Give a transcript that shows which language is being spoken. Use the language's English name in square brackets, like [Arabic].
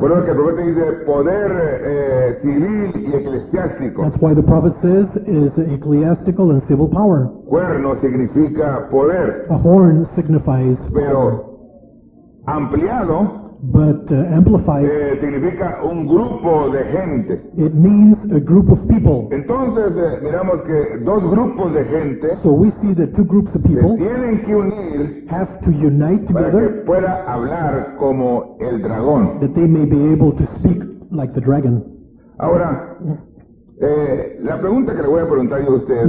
[Spanish] Por lo que el profeta dice poder civil y eclesiástico. [English] That's why the prophet says is ecclesiastical and civil power. [Spanish] Cuerno significa poder. [English] A horn signifies [Spanish] pero [English] power. [Spanish] Ampliado. [English] But amplified. [Spanish] Significa un grupo de gente. [English] It means a group of people. [Spanish] Entonces miramos que dos grupos de gente. [English] So we see that two groups of people. [Spanish] Tienen que unir. [English] Have to unite together. [Spanish] Para que pueda hablar como el dragón. [English] That they may be able to speak like the dragon. [Spanish] Ahora, la pregunta que le voy a preguntar yo a ustedes.